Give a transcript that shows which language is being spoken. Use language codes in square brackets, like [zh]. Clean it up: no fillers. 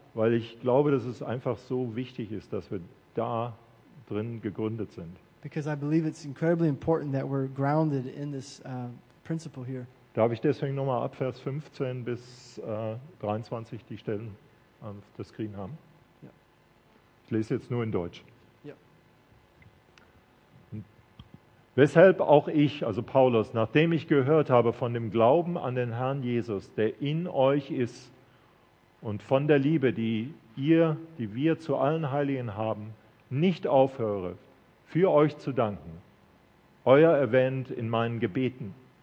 [de] Weil ich glaube, dass es einfach so wichtig ist, dass wir da drin gegründet sind. [en] Because I believe it's incredibly important that we're grounded in this principle here. [de] Darf ich deswegen nochmal ab Vers 15 bis 23 die Stellen auf der Screen haben? Ja. Ich lese jetzt nur in Deutsch. Ja. Weshalb auch ich, also Paulus, nachdem ich gehört habe von dem Glauben an den Herrn Jesus, der in euch ist, und von der Liebe, die wir zu allen Heiligen haben, nicht aufhöre, für euch zu danken, euer erwähnt in meinen Gebeten.